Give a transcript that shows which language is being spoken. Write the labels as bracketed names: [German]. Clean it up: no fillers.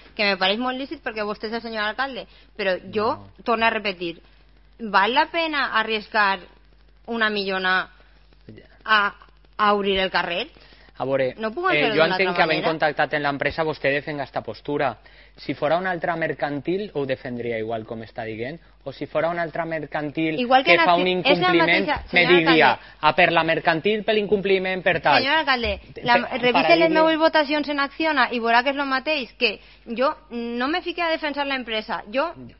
[Catalan] Que me pareix molt lícit perquè vostè és el senyor alcalde, però jo no. Torno a repetir. [Spanish] ¿Vale la pena arriesgar una millona a abrir el carrer? [Catalan] A veure, no jo entenc que havent contactat amb l'empresa vostè defenga esta postura. Si fora una altra mercantil ho defendria igual, com està dient, o si fora una altra mercantil igual que fa un incompliment, mateixa, me diria alcalde, a per la mercantil, per l'incompliment, per tal. Senyor alcalde, revise les meves votacions en Acciona i veurà que és el mateix, que jo no me fiqui a defensar l'empresa, jo...